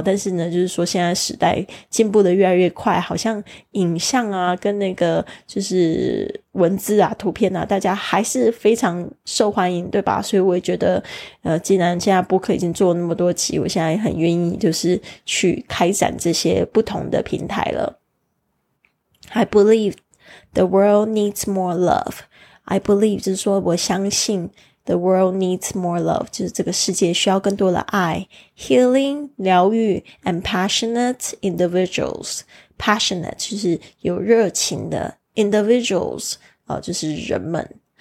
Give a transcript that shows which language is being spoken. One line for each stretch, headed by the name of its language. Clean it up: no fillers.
Chinese: 但是呢，就是说现在时代进步的越来越快，好像影像啊跟那个就是文字啊图片啊大家还是非常受欢迎，对吧？所以我也觉得既然现在播客已经做了那么多期，我现在很愿意就是去开展这些不同的平台了。
English: I believe the world needs more love. I believe
Chinese: 就是说我相信
English: the world needs more love，
Chinese: 就是这个世界需要更多的爱。
English: healing
Chinese: 疗愈
English: and passionate individuals， passionate
Chinese: 就是有热情的
English: individuals、
Chinese: 就是人们。